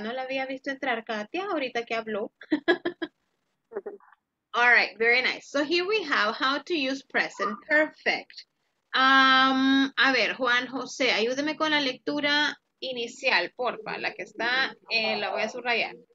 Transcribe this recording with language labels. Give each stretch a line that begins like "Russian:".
Spanish: No la había visto entrar Katia ahorita que habló.
English: All right, very nice. So here we have how to use present perfect.
Spanish: A ver, Juan José, ayúdeme con la lectura inicial, porfa, la que está, la voy a subrayar.